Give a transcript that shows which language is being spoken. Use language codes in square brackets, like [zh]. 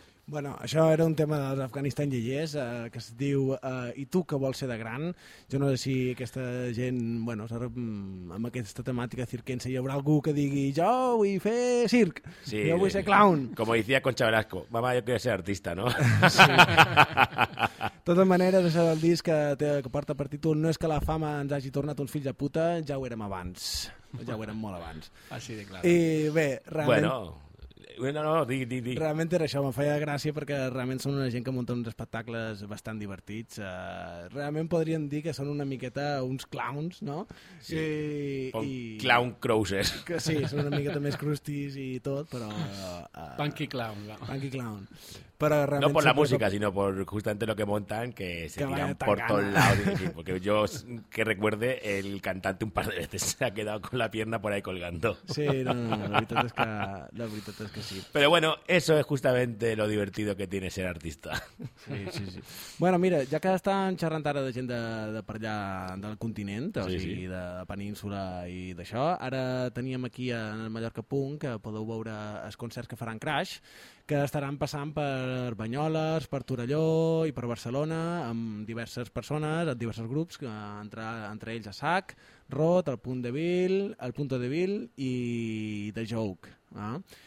[ca] Bueno, això era un tema dels Afganistan Yeyes, que es diu I tu que vols ser de gran? Jo no sé si aquesta gent, bueno, amb aquesta temàtica cirquense hi haurà algú que digui jo vull fer circ, sí, jo vull ser clown. [es] Como decía Concha Velasco, mama, yo quiero ser artista, ¿no? [ca] Sí. De totes maneres, això del disc que porta per títol no és que la fama ens hagi tornat uns fills de puta, ja ho érem abans. Ja ho érem molt abans. Així de clar. I bé, realment... Bueno. No, digui. Realment era això, me feia gràcia perquè realment són una gent que munta uns espectacles bastant divertits. Realment podríem dir que són una miqueta uns clowns, no? Sí, clown cruisers. Que sí, són una miqueta més crustis i tot, però... Punky clown. Però no per la música, sinó per justament el que montan, que se que tiran per tot l'àudio. [es] Perquè jo, que recuerde, el cantante un par de veces se ha quedado con la pierna por ahí colgando. [ca] Sí, la veritat és que sí. Però bueno, [es] eso es justamente lo divertido que tiene ser artista. Sí. [ca] Bueno, mira, ja que estan xerrant ara de gent de per allà del continent, o sigui, de península i d'això, ara teníem aquí en el Mallorca Punk, que podeu veure els concerts que faran Crash, que estaran passant per Banyoles, per Torelló i per Barcelona amb diverses persones, amb diversos grups, entre ells a SAC, Rot, el Punt de Vil, el Punto de Vil i The Joke. Ah?